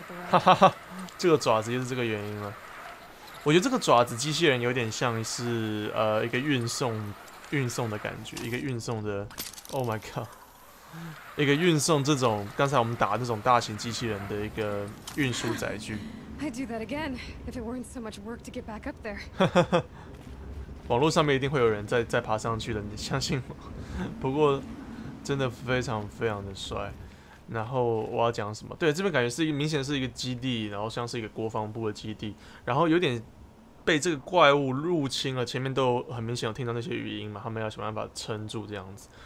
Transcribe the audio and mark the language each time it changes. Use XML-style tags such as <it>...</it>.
<zh>哈哈，这个爪子就是这个原因了。我觉得这个爪子机器人有点像是一个运送的感觉，一个运送的 ，</zh> <en>Oh my god，</en> <zh>一个运送这种刚才我们打这种大型机器人的一个运输载具。</zh> <en>I'd do that again if it weren't so much work to get back up there.</en> <zh>网络上面一定会有人再爬上去的，你相信吗？不过真的非常非常的帅。然后我要讲什么？对，这边感觉是一个明显是一个基地，然后像是一个国防部的基地，然后有点被这个怪物入侵了。前面都很明显有听到那些语音嘛，他们要想办法撑住这样子。</zh>